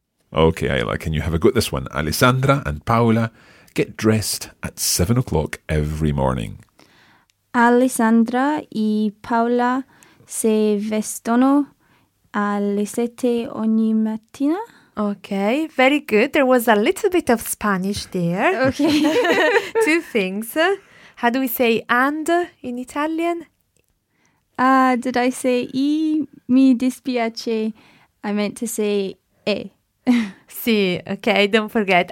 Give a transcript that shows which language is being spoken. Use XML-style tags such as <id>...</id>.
<en>Okay, Ayla, can you have a go at this one? Alessandra and Paola get dressed at 7 o'clock every morning.</en> <it>Alessandra e Paola se vestono alle 7 ogni mattina.</it> <en>Okay, very good. There was a little bit of Spanish there. Okay. Two things. How do we say and in Italian? Did I say I</en> <it>mi dispiace?</it> <en>I meant to say e. Sì, okay, don't forget.</en>